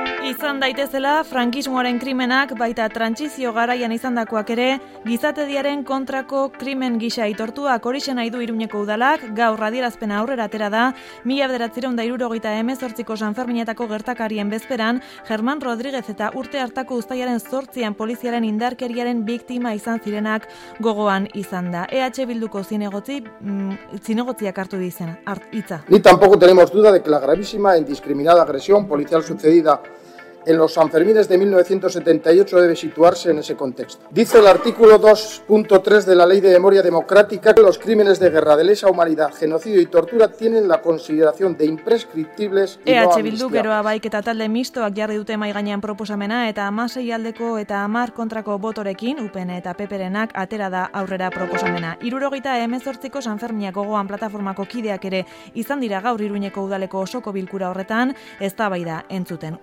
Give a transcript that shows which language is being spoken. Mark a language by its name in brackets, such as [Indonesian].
[Basque] Izan daitezela, frankismoaren krimenak baita trantsizio garaian izandakoak ere, gizatediaren kontrako krimen gisa aitortuak horixe nahi du Iruñeko udalak, gaur adierazpena aurrera atera da, 1978ko Sanferminetako gertakarien bezperan, German Rodriguez eta urte hartako uztailaren 8an poliziaren indarkeriaren biktima izan zirenak gogoan izan da. EH Bilduko zinegotziak hartu dizen, hitza. [Spanish] Ni tampoco tenemos duda de que la gravísima e indiscriminada agresión policial sucedida en los Sanfermines de 1978 debe situarse en ese contexto. Dice el artículo 2.3 de la Ley de Memoria Democrática que los crímenes de guerra, de lesa humanidad, genocidio y tortura tienen la consideración de imprescriptibles y [Basque] EH Bildu geroa baik eta talde mistoak jarri dute mai gainean proposamena eta 16 aldeko eta 10 kontrako botorekin UPN eta PP-renak atera da aurrera proposamena. 78ko Sanfermina gogoan plataformako kideak ere izan dira gaur Iruñeko udaleko osoko bilkura horretan eztabaida entzuten.